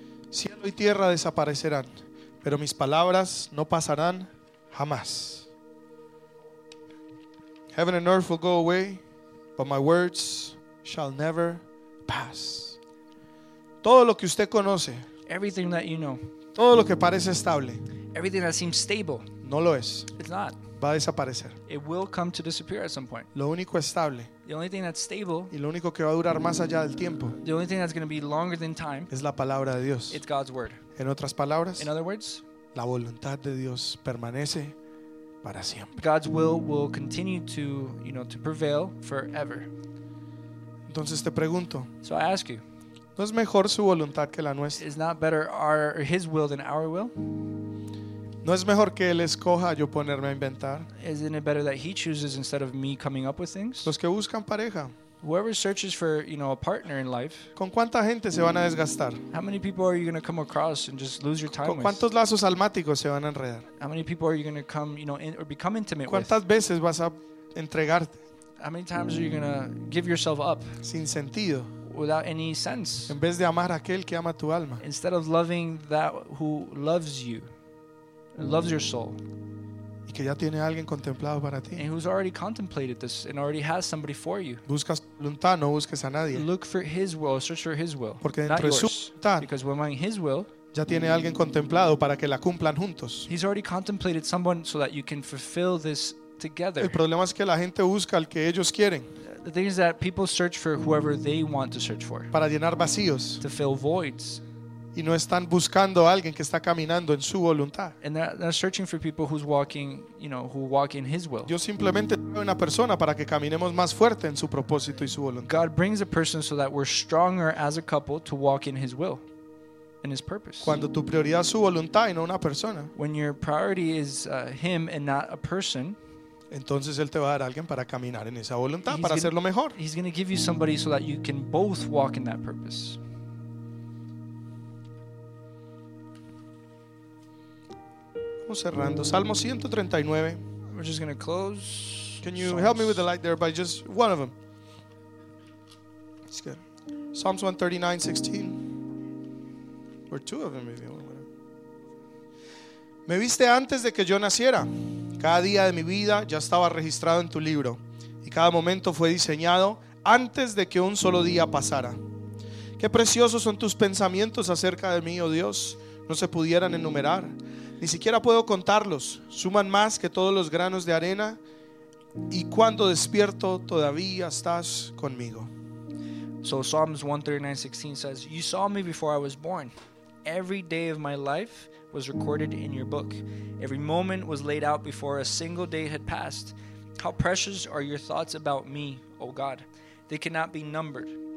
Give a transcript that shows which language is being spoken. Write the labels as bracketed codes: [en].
[es] Cielo y tierra desaparecerán, pero mis palabras no pasarán jamás. [en] Heaven and earth will go away, but my words shall never pass. [es] Todo lo que usted conoce, [en] everything that you know, [es] todo lo que parece estable, [en] everything that seems stable, [es] no lo es. [en] It's not. [es] Va a desaparecer. [en] It will come to disappear at some point. [es] Lo único estable, [en] the only thing that's stable, [es] y lo único que va a durar más allá del tiempo, [en] the only thing that's going to be longer than time, [es] es la palabra de Dios. [en] It's God's word. [es] En otras palabras, [en] in other words, [es] la voluntad de Dios permanece para siempre. [en] God's will continue to, you know, to prevail forever. [es] Entonces te pregunto, [en] so I ask you, [es] ¿no es mejor su voluntad que la nuestra? [en] Is not better his will than our will? [es] ¿No es mejor que él escoja yo ponerme a inventar? [en] Isn't it better that he chooses instead of me coming up with things? [es] Los que buscan pareja. [en] Whoever searches for, you know, a partner in life. [es] ¿Con cuánta gente se van a desgastar? [en] How many people are you going to come across and just lose your time [es] ¿Con cuántos [en] with? [es] Lazos almáticos se van a enredar? [en] How many people are you going to come, you know, in, or become intimate [es] ¿Cuántas [en] with? [es] ¿Cuántas veces vas a entregarte? [en] How many times are you going to give yourself up? [es] Sin sentido. [en] Without any sense. [es] En vez de amar a aquel que ama tu alma. [en] Instead of loving that who loves you. And loves your soul. [es] Y que ya tiene alguien contemplado para ti. [en] And who's already contemplated this and already has somebody for you. [es] Buscas voluntad, no busques a nadie. [en] Look for his will, search for his will. [es] Porque dentro [en] not [es] de [en] yours, [es] su voluntad, [en] because when in his will, [es] ya tiene alguien contemplado para que la cumplan juntos. [en] He's already contemplated someone so that you can fulfill this together. [es] El problema es que la gente busca al que ellos quieren. [en] The thing is that people search for whoever they want to search for. [es] Para llenar vacíos. [en] To fill voids. [es] Y no están buscando a alguien que está caminando en su voluntad. [en] And they're searching for people who's walking, you know, who walk in his will. [es] Dios simplemente trae una persona para que caminemos más fuerte en su propósito y su voluntad. [en] God brings a person so that we're stronger as a couple to walk in his will and his purpose. [es] Cuando tu prioridad es su voluntad y no una persona. [en] When your priority is him and not a person. [es] Entonces él te va a dar a alguien para caminar en esa voluntad, para hacerlo mejor. [en] He's going to give you somebody so that you can both walk in that purpose. [es] Cerrando Salmo 139. [en] We're just going to close. Can you Psalms. Help me with the light there by just one of them? It's good. Psalms 139:16. Or two of them maybe. [es] Me viste antes de que yo naciera. Cada día de mi vida ya estaba registrado en tu libro, y cada momento fue diseñado antes de que un solo día pasara. Qué preciosos son tus pensamientos acerca de mí, oh Dios. No se pudieran enumerar, ni siquiera puedo contarlos. Suman más que todos los granos de arena, y cuando despierto todavía estás conmigo. [en] So Psalms 139:16 says, "You saw me before I was born. Every day of my life was recorded in your book. Every moment was laid out before a single day had passed. How precious are your thoughts about me, O God. They cannot be numbered.